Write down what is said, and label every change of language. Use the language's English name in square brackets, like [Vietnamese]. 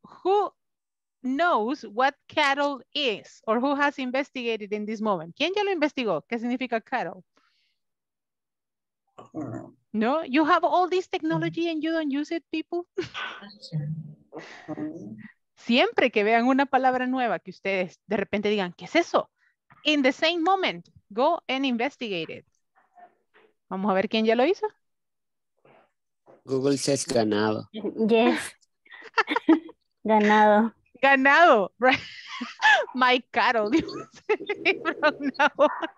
[English] Who knows what cattle is, or who has investigated in this moment? [Spanish] ¿Quién ya lo investigó? ¿Qué significa cattle? [English] No, you have all this technology and you don't use it, people. [Spanish] Siempre que vean una palabra nueva que ustedes de repente digan, ¿qué es eso? [English] In the same moment, go and investigate it. [Spanish] Vamos a ver quién ya lo hizo. [English] Google says ganado. Yes. Ganado. Ganado, right? My cattle. From now on.